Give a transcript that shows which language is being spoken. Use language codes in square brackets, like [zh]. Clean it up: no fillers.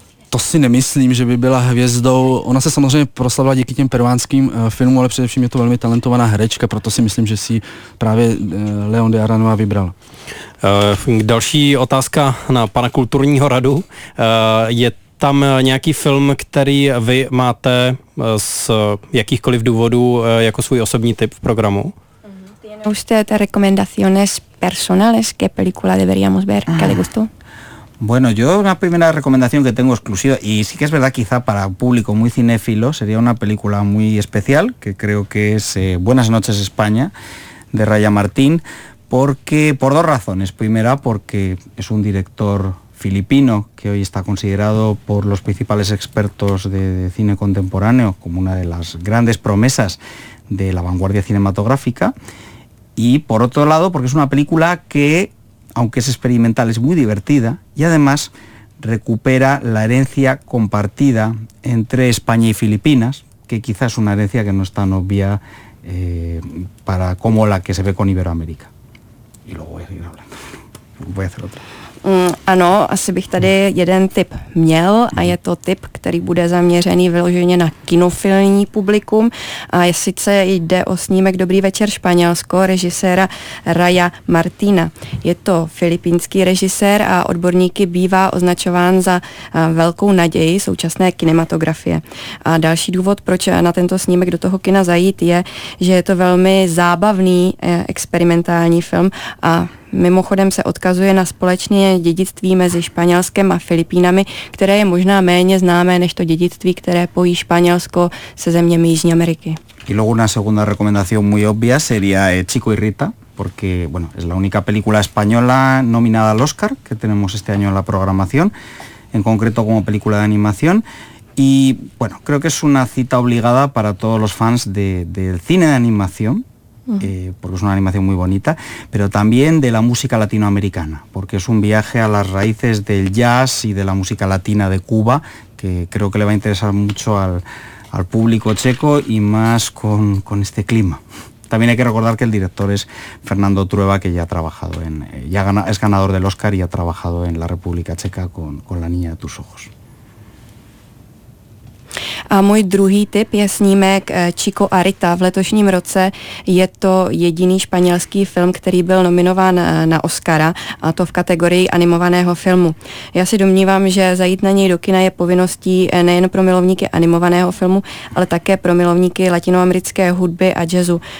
[cs] To si nemyslím, že by byla hvězdou. Ona se samozřejmě proslavila díky těm peruánským filmům, ale především je to velmi talentovaná herečka, proto si myslím, že si právě León de Aranoa vybral. Další otázka na pana kulturního radu je tam nějaký film, který vy máte z jakýchkoliv důvodů jako svůj osobní typ v programu? [es] ¿Tiene usted recomendaciones personales? ¿Qué película deberíamos ver? ¿Qué le gustó? Bueno, yo una primera recomendación que tengo exclusiva, y sí que es verdad, quizá para público muy cinéfilo, sería una película muy especial, que creo que es Buenas noches España, de Raya Martín, porque por dos razones. Primera, porque es un director filipino que hoy está considerado por los principales expertos de cine contemporáneo como una de las grandes promesas de la vanguardia cinematográfica. Y por otro lado, porque es una película que, aunque es experimental, es muy divertida y además recupera la herencia compartida entre España y Filipinas, que quizás es una herencia que no es tan obvia para como la que se ve con Iberoamérica. Y luego voy a seguir hablando. Voy a hacer otra. [cs] Ano, asi bych tady jeden tip měl a je to tip, který bude zaměřený vyloženě na kinofilní publikum a sice jde o snímek Dobrý večer Španělsko režiséra Raya Martina. Je to filipínský režisér a odborníky bývá označován za velkou naději současné kinematografie. A další důvod, proč na tento snímek do toho kina zajít, je, že je to velmi zábavný experimentální film a mimochodem se odkazuje na společné dědictví mezi Španělskem a Filipínami, které je možná méně známé než to dědictví, které pojí Španělsko se zeměmi Jižní Ameriky. [es] Y luego una segunda recomendación muy obvia sería Chico y Rita, porque bueno, es la única película española nominada al Oscar que tenemos este año en la programación, en concreto como película de animación. Y bueno, creo que es una cita obligada para todos los fans del cine de animación. Porque es una animación muy bonita, pero también de la música latinoamericana, porque es un viaje a las raíces del jazz y de la música latina de Cuba, que creo que le va a interesar mucho al público checo y más con este clima. También hay que recordar que el director es Fernando Trueba, que ya ha trabajado es ganador del Oscar y ha trabajado en la República Checa con La niña de tus ojos. [cs] A můj druhý tip je snímek Chico a Rita. V letošním roce je to jediný španělský film, který byl nominován na Oscara, a to v kategorii animovaného filmu. Já si domnívám, že zajít na něj do kina je povinností nejen pro milovníky animovaného filmu, ale také pro milovníky latinoamerické hudby a jazzu.